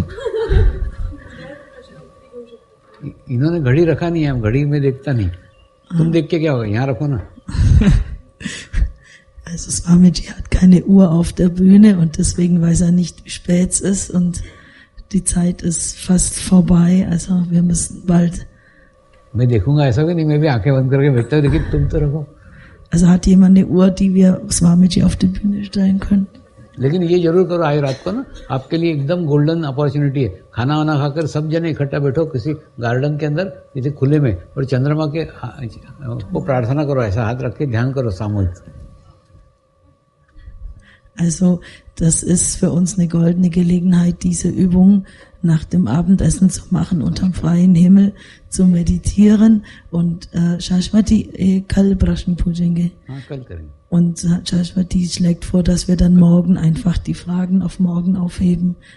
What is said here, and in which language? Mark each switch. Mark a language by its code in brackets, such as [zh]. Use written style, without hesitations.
[hi] इन्होंने घड़ी रखा नहीं है घड़ी में देखता नहीं तुम देख के क्या होगा यहाँ रखो ना. [de] Also Swamiji hat keine Uhr auf der Bühne und deswegen weiß er nicht wie spät es ist und die Zeit ist fast vorbei, also wir müssen bald. [hi] मैं देखूंगा ऐसा भी नहीं मैं भी आंखें बंद करके बैठता हूँ देखिए तुम तो रखो. [de] Also hat jemand eine Uhr die wir Swamiji auf die Bühne stellen können? [hi] लेकिन ये जरूर करो आज रात को ना आपके लिए एकदम गोल्डन अपॉर्चुनिटी है खाना वाना खाकर सब जने इकट्ठा बैठो किसी गार्डन के अंदर इसे खुले में और चंद्रमा के को प्रार्थना करो ऐसा हाथ रख के ध्यान करो सामूहिक. [de] Also das ist für uns eine goldene Gelegenheit, diese Übung nach dem Abendessen zu machen, unterm freien Himmel zu meditieren. Und [hi] Shashwati kal brashan pujenge. [de] Und Shashwati schlägt vor, dass wir dann morgen einfach die Fragen auf morgen aufheben.